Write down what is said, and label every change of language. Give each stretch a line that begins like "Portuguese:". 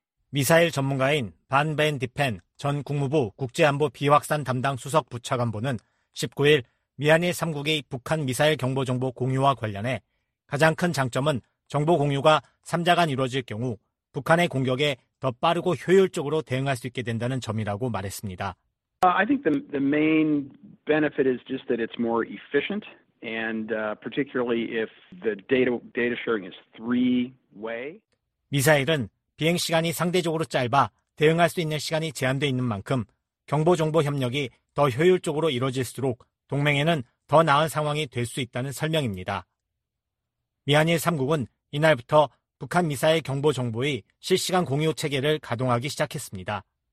Korean: 미사일 전문가인 반 벤 디펜 전 국무부 국제안보 비확산 담당 수석 부차관보는 19일 미한일 3국이 북한 미사일 경보 정보 공유와 관련해 가장 큰 장점은 정보 공유가 3자 간 이루어질 경우 북한의 공격에 더 빠르고 효율적으로 대응할 수 있게 된다는 점이라고 말했습니다.
English: I think the main benefit is just that it's more efficient and particularly if the data sharing is three-way.
Korean: 미사일은 비행 시간이 상대적으로 짧아 대응할 수 있는 시간이 제한되어 있는 만큼 경보 정보 협력이 더 효율적으로 이루어질수록 동맹에는 더 나은 상황이 될 수 있다는 설명입니다. 미한일 3국은 이날부터 북한 미사일 경보 정보의 실시간 공유 체계를 가동하기 시작했습니다.